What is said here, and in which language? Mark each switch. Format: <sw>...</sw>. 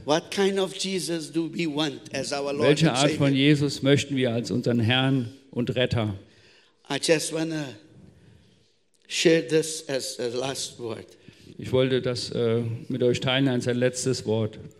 <en>What kind of Jesus do we want as our Lord?</en> <de>Welche Art von Jesus möchten wir als unseren Herrn und Retter?</de> <en>I just wanna share this as a last word.</en> <de>Ich wollte das mit euch teilen als ein letztes Wort.</de>